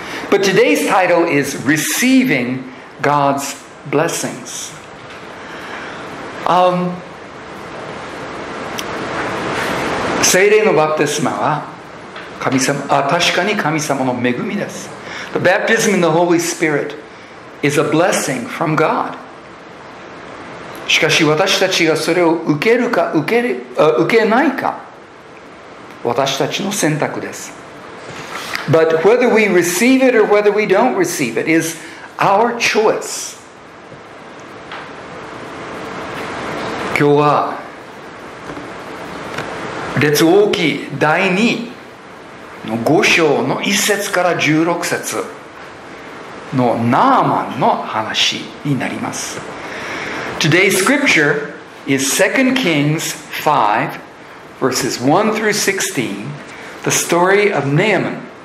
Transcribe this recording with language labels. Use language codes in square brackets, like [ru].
[en] But today's title is Receiving God's Blessings. [ja] 聖霊のバプテスマは神様、確かに神様の恵みです。 [en] The baptism in the Holy Spirit is a blessing from God. [ja] しかし私たちがそれを受けるか受けないか、私たちの選択です。 [en] But whether we receive it or whether we don't receive it is our choice. [ja] 今日は列王記第2の5章の1節から16節のナーマンの話になります。 [en] Today's scripture is 2 Kings 5 verses 1 through 16, the story of Naaman.